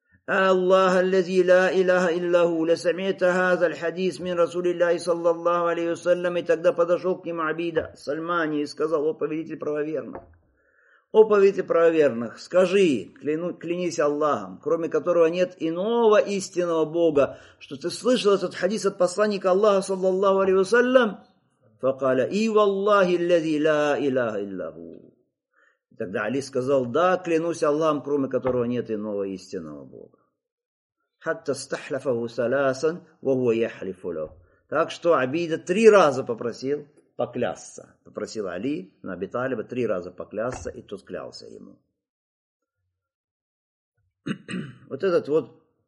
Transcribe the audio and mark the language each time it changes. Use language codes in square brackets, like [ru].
[ar] الله الذي لا إله إلا هو لسمعت هذا الحديث من رسول الله صلى الله عليه وسلم [ru] тогда подошел к ним Абида Сальмани и сказал, о повелитель правоверных, о повелитель правоверных, скажи, клянись Аллахом, кроме которого нет иного истинного Бога, что ты слышал этот хадис от посланника Аллаха صلى الله عليه وسلم. [ar] فقال и والله الذي لا إله إلا هو. [ru] Тогда Али сказал, да, клянусь Аллахом, кроме которого нет иного истинного Бога. [ar] Хатта стахляфаху салясан, вахуа яхлифу ля. [ru] Так что Абида три раза попросил поклясться. Попросил Али на Абу Талиба три раза поклясться, и тот клялся ему. Вот этот вот